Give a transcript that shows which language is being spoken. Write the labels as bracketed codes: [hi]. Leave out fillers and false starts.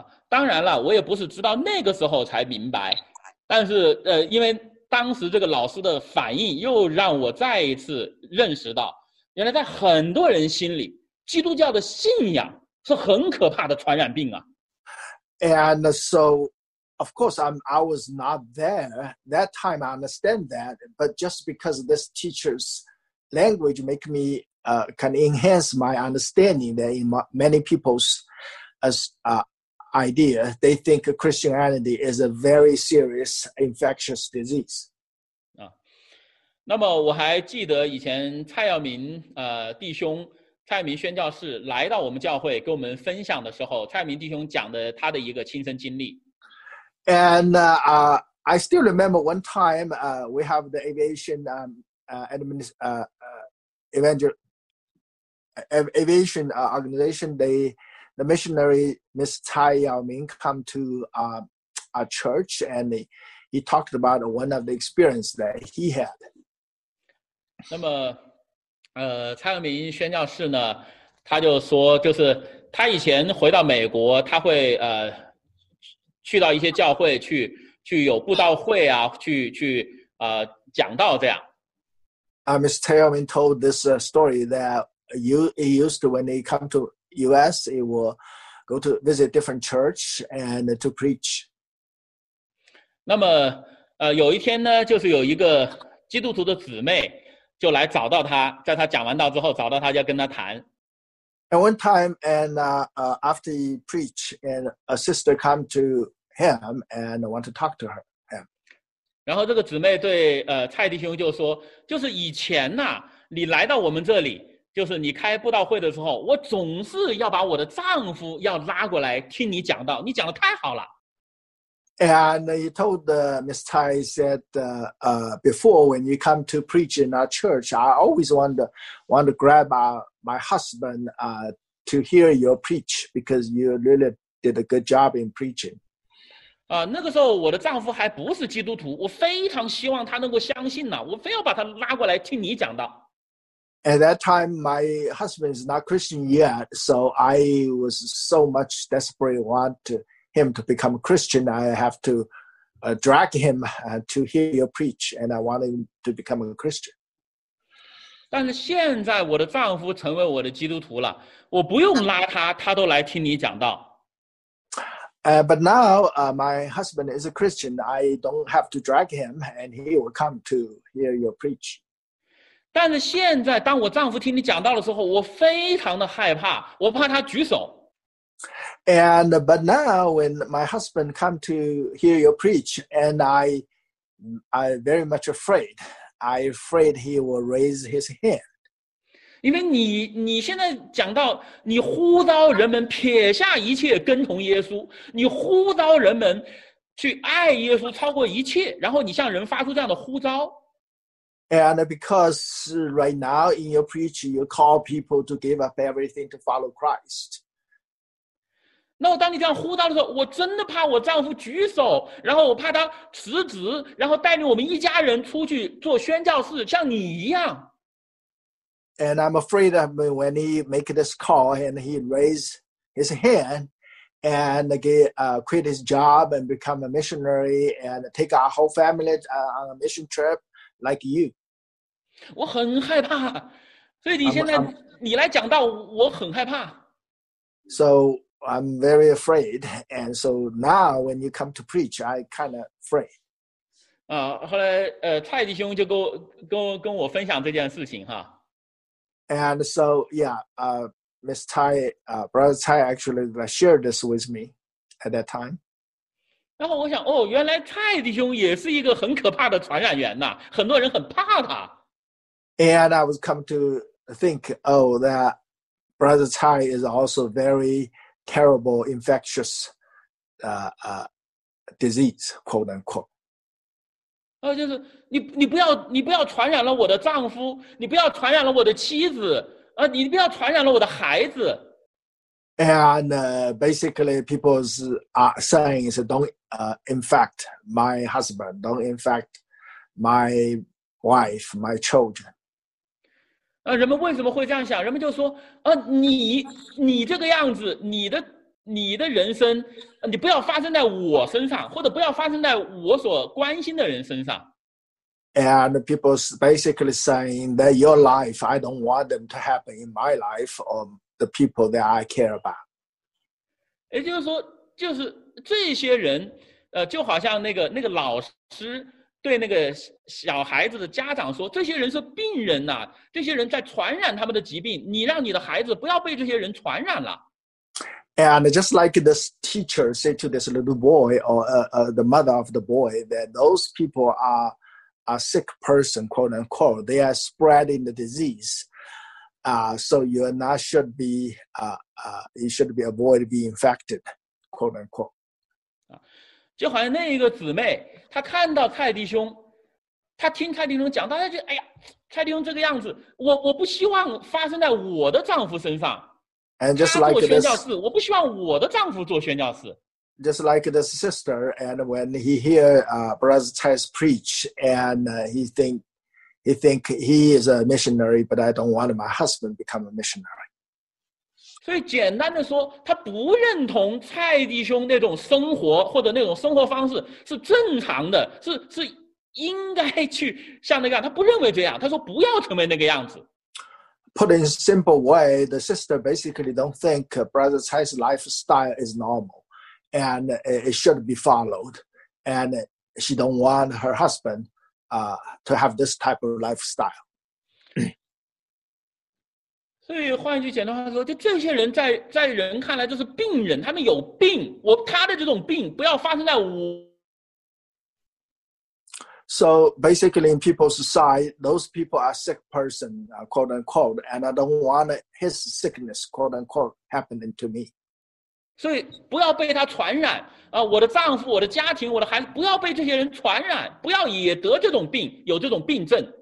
[zh] 当然了，我也不是直到那个时候才明白，但是因为。当时这个老师的反应又让我再一次认识到，原来在很多人心里，基督教的信仰是很可怕的传染病啊。 [en] And so, of course, I was not there that time. I understand that, but just because of this teacher's language make me can enhance my understanding that in many people's idea, they think Christianity is a very serious infectious disease. [zh] 啊，那么我还记得以前蔡耀明弟兄。蔡耀明宣教士来到我们教会跟我们分享的时候，蔡耀明弟兄讲的他的一个亲身经历。 [en] And I still remember one time we have the aviation aviation organization. The missionary Miss Tsai Yaoming come to a church and he talked about one of the experience that he had. [zh] 那么。蔡耀明宣教士呢，他就说，就是他以前回到美国，他会去到一些教会去有布道会啊，去讲道这样。 [en] Mr. Tsai Yaoming told this story that he used to when he come to U.S. he will go to visit different church and to preach. [zh] 那么有一天呢，就是有一个基督徒的姊妹。就来找到他，在他讲完道之后，找到他就要跟他谈。 [en] And one time, and after he preached, and a sister come to him and want to talk to her. Him. [zh] 然后这个姊妹对蔡弟兄就说：“就是以前呐、啊，你来到我们这里，就是你开布道会的时候，我总是要把我的丈夫要拉过来听你讲道，你讲的太好了。” [en] And he told Ms. Tsai, he said, before when you come to preach in our church, I always want to grab my husband to hear your preach because you really did a good job in preaching. [zh] 那个时候我的丈夫还不是基督徒，我非常希望他能够相信呢，我非要把他拉过来听你讲道。 [en] At that time, my husband is not Christian yet, so I was so much desperate want to. Him to become a Christian, I have to drag him to hear your preach, and I want him to become a Christian. [zh] 但是现在我的丈夫成为我的基督徒了，我不用拉他，他都来听你讲道。 [en] But now my husband is a Christian, I don't have to drag him, and he will come to hear your preach. [zh] 但是现在当我丈夫听你讲道的时候，我非常的害怕，我怕他举手。 [en] But now when my husband come to hear your preach, and I very much afraid. I afraid he will raise his hand. [zh] 因为你现在讲到你呼召人们撇下一切跟从耶稣，你呼召人们去爱耶稣超过一切，然后你向人发出这样的呼召。 [en] And because right now in your preach, you call people to give up everything to follow Christ. [zh] 那我当你这样呼召的时候，我真的怕我丈夫举手，然后我怕他辞职，然后带领我们一家人出去做宣教士，像你一样。 [en] And I'm afraid of when he make this call and he raise his hand and quit his job and become a missionary and take our whole family on a mission trip like you. [zh] 我很害怕，所以你现在你来讲道，我很害怕。 [en] So. I'm very afraid, and so now when you come to preach, I kind of afraid. [zh] 后来蔡弟兄就跟我分享这件事情哈。 [en] And so yeah, Miss Tsai, Brother Tsai actually shared this with me at that time. [zh] 然后我想，哦，原来蔡弟兄也是一个很可怕的传染源呐，很多人很怕他。 [en] And I was come to think, oh, that Brother Tsai is also very. Terrible infectious disease, quote unquote. [zh] 就是你不要传染了我的丈夫，你不要传染了我的妻子，你不要传染了我的孩子。 [en] And basically, people are saying is don't infect my husband, don't infect my wife, my children. [zh] 人们为什么会这样想？人们就说：“你这个样子，你的人生，你不要发生在我身上，或者不要发生在我所关心的人身上。” [en] And people's basically saying that your life, I don't want them to happen in my life or the people that I care about. [zh] 也就是说，就是这些人，就好像那个老师对那个小孩子的家长说，这些人是病人呐，这些人在传染他们的疾病，你让你的孩子不要被这些人传染了。 [en] And just like this teacher said to this little boy or the mother of the boy that those people are a sick person, quote unquote, they are spreading the disease. So you are not should be, you should be avoid being infected, quote unquote. [zh] 就好像那一个姊妹，她看到蔡弟兄，她听蔡弟兄讲，她就哎呀，蔡弟兄这个样子，我不希望发生在我的丈夫身上。 [en] And just like this, [zh] 我不希望我的丈夫做宣教士。 [en] Just like this sister, and when he hear Brother Tai's preach, and he think he is a missionary, but I don't want my husband become a missionary. [zh] 所以简单的说，他不认同蔡弟兄那种生活或者那种生活方式是正常的，是应该去像那个样，他不认为这样，他说不要成为那个样子。 [en] Put in a simple way, the sister basically don't think Brother Tai's lifestyle is normal, and it should be followed, and she don't want her husband to have this type of lifestyle. [zh] 所以换一句简单话说，就这些人在人看来就是病人，他们有病，他的这种病不要发生在我。 [en] So basically, in people's side, those people are sick person, quote unquote, and I don't want his sickness, quote unquote, happening to me. [zh] 所以不要被他传染啊！我的丈夫、我的家庭、我的孩子，不要被这些人传染，不要也得这种病，有这种病症。